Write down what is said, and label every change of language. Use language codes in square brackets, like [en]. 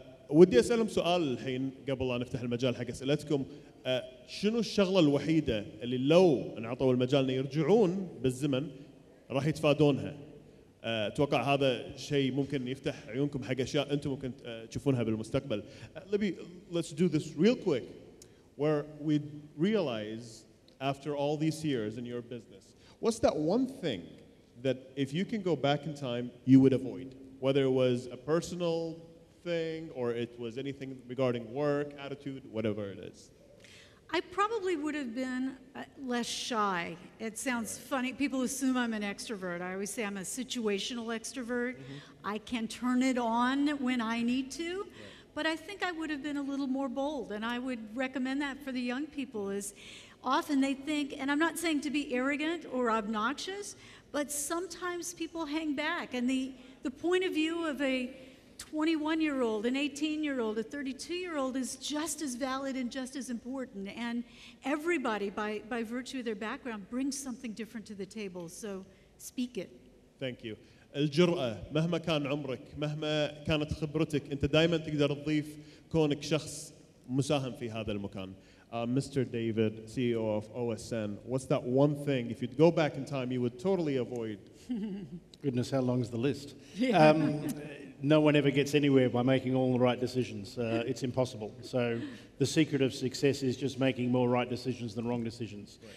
[ar] ودي أسألهم سؤال الحين قبل أن نفتح المجال حق أسئلتكم, شنو الشغلة الوحيدة اللي لو انعطوا المجال أن يرجعون بالزمن راح يتفادونها؟ أتوقع هذا شيء ممكن يفتح عيونكم حق أشياء أنتم ممكن تشوفونها بالمستقبل. [en] Let's do this real quick, where we realize after all these years in your business, what's that one thing that if you can go back in time you would avoid, whether it was a personal thing or it was anything regarding work, attitude, whatever it is. I probably would have been less shy. It sounds funny. People assume I'm an extrovert. I always say I'm a situational extrovert. Mm-hmm. I can turn it on when I need to. Right. But I think I would have been a little more bold, and I would recommend that for the young people, is often they think, and I'm not saying to be arrogant or obnoxious, but sometimes people hang back. And the point of view of a 21-year-old, an 18-year-old, a 32-year-old is just as valid and just as important. And everybody, by virtue of their background, brings something different to the table. So speak it. Thank you. [ar] الجرأة مهما كان عمرك مهما كانت خبرتك أنت دائما تقدر تضيف كونك شخص مساهم في هذا المكان. [en] Mr. David, CEO of OSN, what's that one thing if you'd go back in time you would totally avoid? Goodness, how long is the list? No one ever gets anywhere by making all the right decisions. It's impossible. So the secret of success is just making more right decisions than wrong decisions.